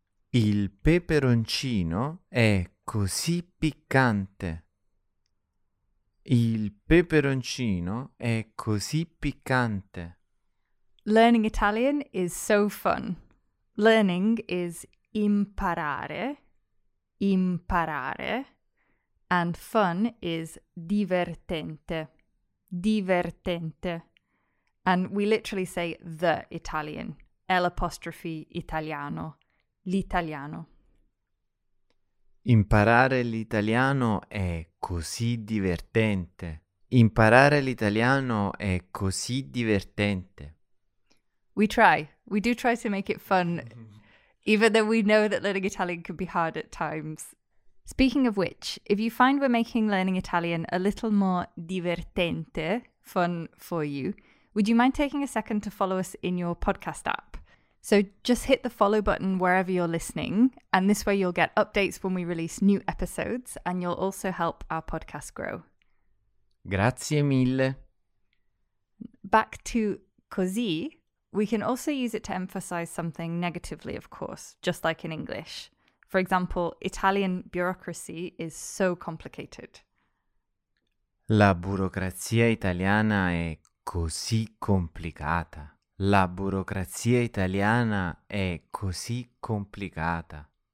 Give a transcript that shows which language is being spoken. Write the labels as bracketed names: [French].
[Italian] Il peperoncino è così piccante. Il peperoncino è così piccante. [English] Learning Italian is so fun. Learning is imparare, imparare, and fun is divertente, divertente. And we literally say the Italian, L apostrophe Italiano, l'italiano. [Italian] Imparare l'italiano è così divertente. Imparare l'italiano è così divertente. [English] We try. We do try to make it fun, even though we know that learning Italian can be hard at times. Speaking of which, if you find we're making learning Italian a little more divertente, fun for you, would you mind taking a second to follow us in your podcast app? So just hit the follow button wherever you're listening, and this way you'll get updates when we release new episodes, and you'll also help our podcast grow. [Italian] Grazie mille. [English] Back to così, We can also use it to emphasize something negatively, of course, just like in English. For example, Italian bureaucracy is so complicated. [Italian] La burocrazia italiana è così complicata. La burocrazia italiana è così complicata.